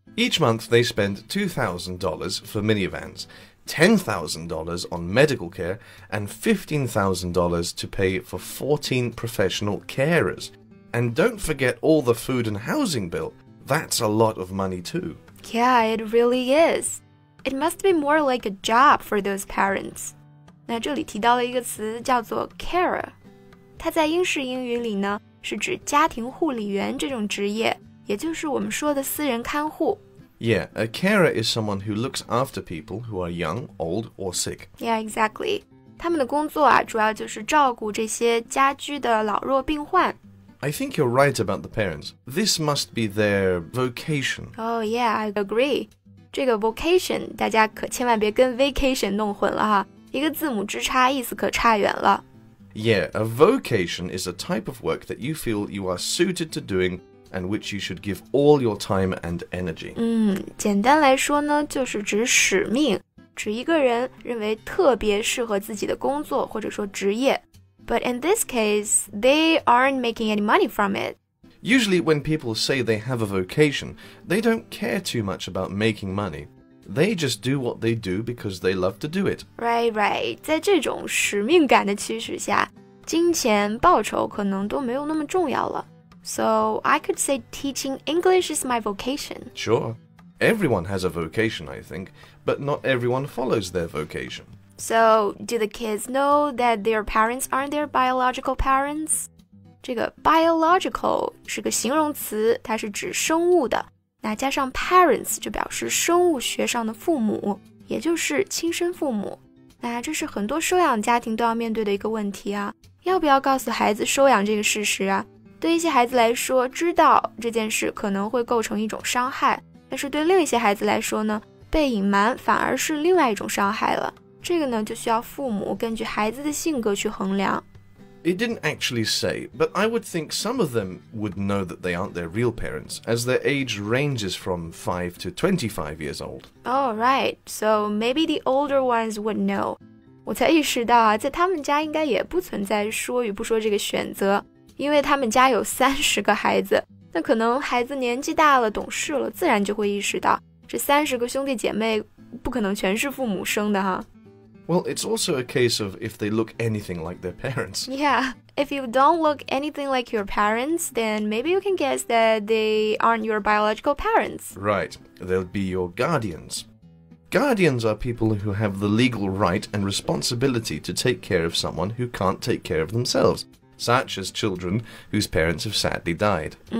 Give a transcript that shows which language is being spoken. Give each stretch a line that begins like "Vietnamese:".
English: Each month they spend $2,000 for minivans, $10,000 on medical care, and $15,000 to pay for 14 professional carers. And don't forget all the food and housing bill. That's a lot of money too. Yeah, it really is. It must be more like a job for those parents.
Chinese: 那这里提到了一个词叫做 carer， 它在英式英语里呢是指家庭护理员这种职业，也就是我们说的私人看护。
English: Yeah, a carer is someone who looks after people who are young, old, or sick. Yeah, exactly.
Chinese: 他们的工作啊，主要就是照顾这些家居的老弱病患。
English: I think you're right about the parents. This must be their vocation. Oh yeah, I agree.
Chinese: 这个 vocation 大家可千万别跟 vacation 弄混了哈。一个字母之差意思可差远了。
English: Yeah, a vocation is a type of work that you feel you are suited to doing and which you should give all your time and energy.
Chinese: 简单来说呢，就是指使命，指一个人认为特别适合自己的工作或者说职业。
English: But in this case, they aren't making any money from it. Usually when people say they have a vocation, they don't care too much about making money. They just do what they do because they love to do it. Right, right.
Chinese: 在这种使命感的驱使下,金钱报酬可能都没有那么重要了。
English: So I could say teaching English is my vocation. Sure. Everyone has a vocation, I think, but not everyone follows their vocation. So do the kids know that their parents aren't their biological parents?
Chinese: 这个 biological 是个形容词，它是指生物的，那加上 parents 就表示生物学上的父母，也就是亲生父母。那这是很多收养家庭都要面对的一个问题啊，要不要告诉孩子收养这个事实啊？对一些孩子来说，知道这件事可能会构成一种伤害，但是对另一些孩子来说呢，被隐瞒反而是另外一种伤害了。这个呢，就需要父母根据孩子的性格去衡量。
English: It didn't actually say, but I would think some of them would know that they aren't their real parents, as their age ranges from 5 to 25 years old. Oh, right. So maybe the older ones would know.
Chinese: 我才意识到啊，在他们家应该也不存在说与不说这个选择，因为他们家有30个孩子，那可能孩子年纪大了，懂事了，自然就会意识到，这30个兄弟姐妹不可能全是父母生的哈。
English: Well, it's also a case of if they look anything like their parents. Yeah, if you don't look anything like your parents, then maybe you can guess that they aren't your biological parents. Right, they'll be your guardians. Guardians are people who have the legal right and responsibility to take care of someone who can't take care of themselves, such as children whose parents have sadly died.